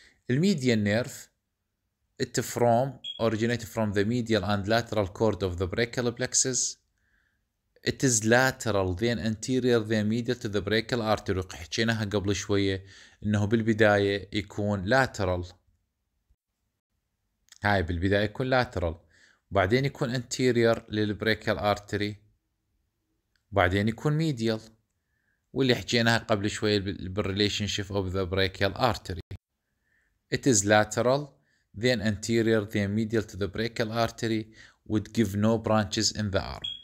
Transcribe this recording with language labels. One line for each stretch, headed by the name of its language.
English: الميديان nerve it from originate from the medial and lateral cord of the brachial plexus. It is lateral then anterior then medial to the brachial artery.
Arabic: حكيناها قبل شوية انه بالبداية يكون lateral. هاي بالبداية يكون lateral. بعدين يكون anterior للbrachial artery. بعدين يكون medial. واللي حكيناها قبل شوية بال
English: relationship of the brachial artery. It is lateral then anterior then medial to the brachial artery would give no branches in the arm.